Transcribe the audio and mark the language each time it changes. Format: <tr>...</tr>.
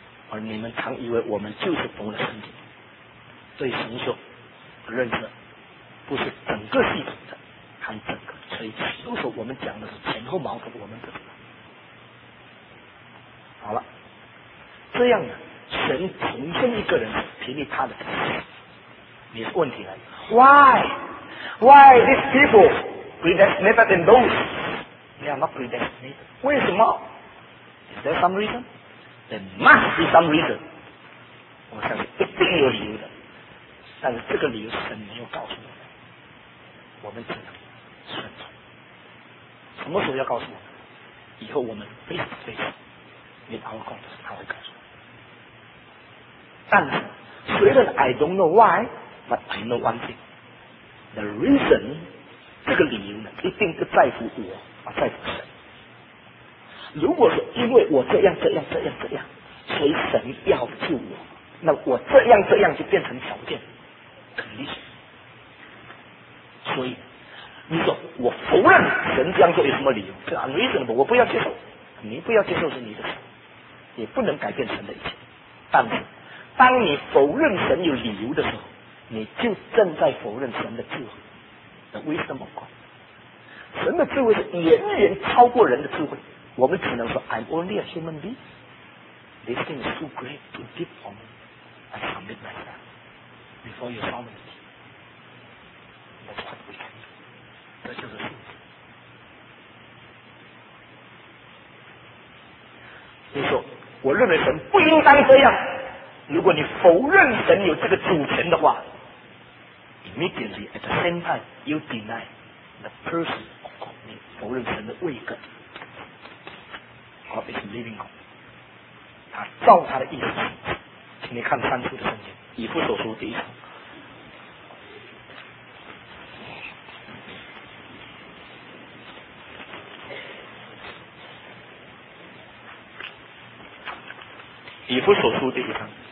<zh>而你们常以为我们就是懂了圣经，对神说认识不是整个系统的，还整个，所以都说我们讲的是前后矛盾，我们不知道。好了，这样呢，神重生一个人凭你他的本事，你是问题来的。</zh> <en>Why these people predestinated than those they are not predestinated？</en> <zh>为什么？</zh> <en>Is there some reason？ There must be some reason。</en> <zh>我相信一定有理由的，但是这个理由神没有告诉我们，我们只能顺从。什么时候要告诉我们？以后我们</zh> <en>face to face with our God，</en> <zh>他会告诉我们。但是虽然</zh> <en>I don't know why， but I know one thing， the reason，</en> <zh>这个理由呢，一定不在乎我，而在乎神。如果说因为我这样这样这样这样，所以神要救我，那我这样这样就变成条件，肯定是。所以你说我否认神这样做有什么理由，这 unreasonable， 我不要接受。你不要接受是你的事，也不能改变神的意思。但是当你否认神有理由的时候，你就正在否认神的智慧。那为什么？神的智慧是远远超过人的智慧。我们只能说</zh> <en>I'm only a human being， this thing is too great too deep for me， I submit myself before your sovereignty。 That's what we can do，</en> <zh>这就是信心。你说我认为神不应当这样，如果你否认神有这个主权的话，</zh> <en>immediately at the same time you deny the person of God，</en> <zh>你否认神的位格。</zh> <en>God is living God，</en> <zh>他照他的意思。请你看三处的圣经，以弗所书第一章，以弗所书第一章</zh>